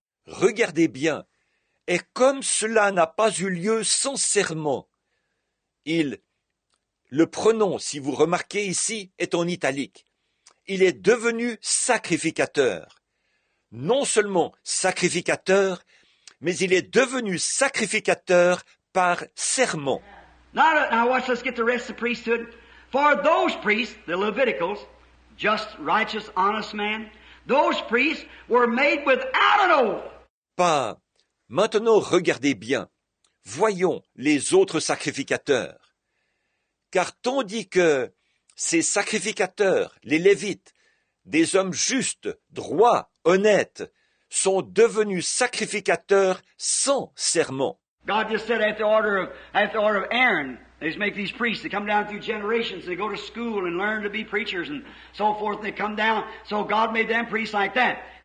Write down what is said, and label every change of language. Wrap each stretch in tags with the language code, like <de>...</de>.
<fr>Regardez bien. Et comme cela n'a pas eu lieu sans serment, il, le pronom, si vous remarquez ici, est en italique. Il est devenu sacrificateur. Non seulement sacrificateur, mais il est devenu sacrificateur par serment.</fr> <en>Now watch, let's get the rest of the priesthood. For those priests, the Leviticals, just righteous, honest man, those priests were made without an oath.</en> <fr>Pas. Maintenant, regardez bien. Voyons les autres sacrificateurs. Car tandis que ces sacrificateurs, les Lévites, des hommes justes, droits, honnêtes, sont devenus sacrificateurs sans serment.</fr> <en>God just said at the order of Aaron, they make these priests. They come down through generations. They go to school and learn to be preachers and so forth. They come down. So God made them priests like that.</en>